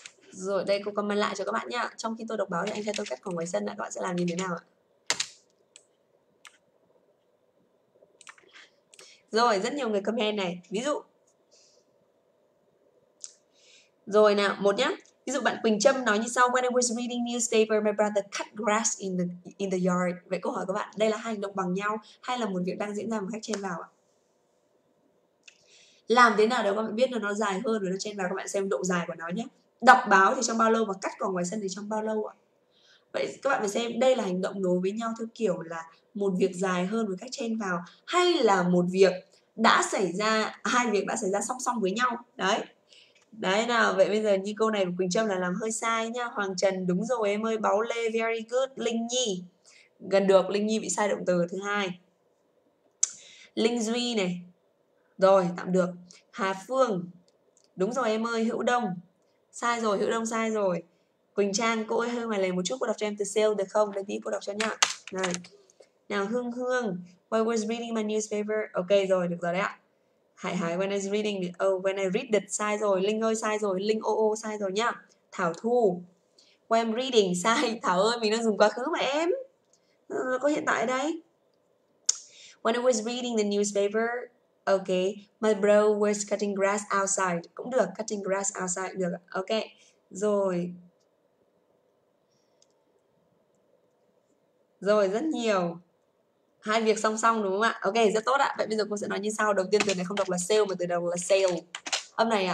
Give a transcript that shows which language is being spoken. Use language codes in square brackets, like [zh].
[vi] Rồi đây cô comment lại cho các bạn nhá. Trong khi tôi đọc báo thì anh trai tôi cắt cỏ ngoài sân ạ. Các bạn sẽ làm như thế nào ạ? Rồi rất nhiều người comment này. Ví dụ. Rồi nào, một nhá. Ví dụ bạn Quỳnh Trâm nói như sau. [en] When I was reading newspaper, my brother cut grass in the yard. [vi] Vậy câu hỏi các bạn, đây là hai hành động bằng nhau hay là một việc đang diễn ra một cách chen vào ạ? Làm thế nào để các bạn biết là nó dài hơn rồi nó chen vào, các bạn xem độ dài của nó nhé. Đọc báo thì trong bao lâu và cắt cỏ ngoài sân thì trong bao lâu ạ? Vậy các bạn phải xem đây là hành động nối với nhau theo kiểu là một việc dài hơn với cách chen vào hay là một việc đã xảy ra, hai việc đã xảy ra song song với nhau. Đấy. Đấy nào, vậy bây giờ như câu này của Quỳnh Trâm là làm hơi sai nhá. Hoàng Trần đúng rồi em ơi, báo Lê [en] very good, [vi] Linh Nhi. Gần được, Linh Nhi bị sai động từ thứ hai. Linh Duy này. Rồi, tạm được. Hà Phương. Đúng rồi em ơi, Hữu Đông. Sai rồi, Hữu Đông sai rồi. Quỳnh Trang, cô ơi hơi ngoài lề một chút, cô đọc cho em từ sale được không? Đây tí cô đọc cho nhá. Này. Nào Hương Hương, [en] when I was reading my newspaper. [vi] Ok rồi, được rồi đấy ạ. [en] Hải Hải, when I was reading, oh, when I read it, [vi] sai rồi. Linh ơi sai rồi, Linh ô ô sai rồi nhá. Thảo Thu, [en] when I'm reading, [vi] sai. Thảo ơi, mình đang dùng quá khứ mà em. Có hiện tại đây. [en] When I was reading the newspaper, ok, my bro was cutting grass outside. [vi] Cũng được, [en] cutting grass outside [vi] được. Ok, rồi. Rồi, rất nhiều. Hai việc song song đúng không ạ? Ok, rất tốt ạ. Vậy bây giờ cô sẽ nói như sau. Đầu tiên từ này không đọc là sale mà từ đầu là sale. Âm này ạ.